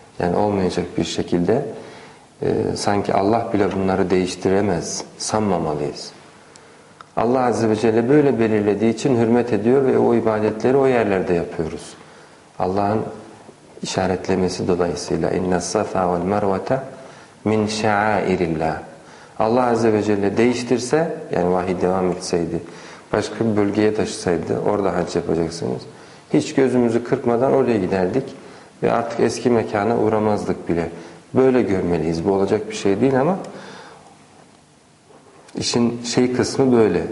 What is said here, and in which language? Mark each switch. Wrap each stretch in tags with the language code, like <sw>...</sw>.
<tr>Yani olmayacak bir şekilde sanki Allah bile bunları değiştiremez sanmamalıyız. Allah Azze ve Celle böyle belirlediği için hürmet ediyor ve o ibadetleri o yerlerde yapıyoruz. Allah'ın işaretlemesi dolayısıyla</tr> <ar>اِنَّ السَّفَا وَالْمَرْوَةَ مِنْ شَعَائِرِ اللّٰهِ.</ar> <tr>Allah Azze ve Celle değiştirse, yani vahiy devam etseydi, başka bir bölgeye taşısaydı, orada hac yapacaksınız. Hiç gözümüzü kırpmadan oraya giderdik ve artık eski mekana uğramazdık bile. Böyle görmeliyiz, bu olacak bir şey değil ama işin şey kısmı böyle.</tr>